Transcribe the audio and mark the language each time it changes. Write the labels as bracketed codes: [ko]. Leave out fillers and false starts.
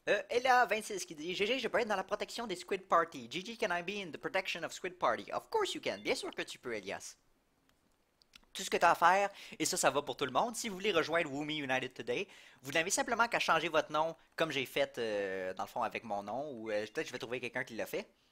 [fr] Et là, 26 qui dit GG, je peux être dans la protection des Squid Party. [en] GG, can I be in the protection of Squid Party? Of course you can. [fr] Bien sûr que tu peux, Elias. Tout ce que tu as à faire, et ça va pour tout le monde, si vous voulez rejoindre WUT United Today, vous n'avez simplement qu'à changer votre nom, comme j'ai fait, dans le fond, avec mon nom, ou peut-être que je vais trouver quelqu'un qui l'a fait.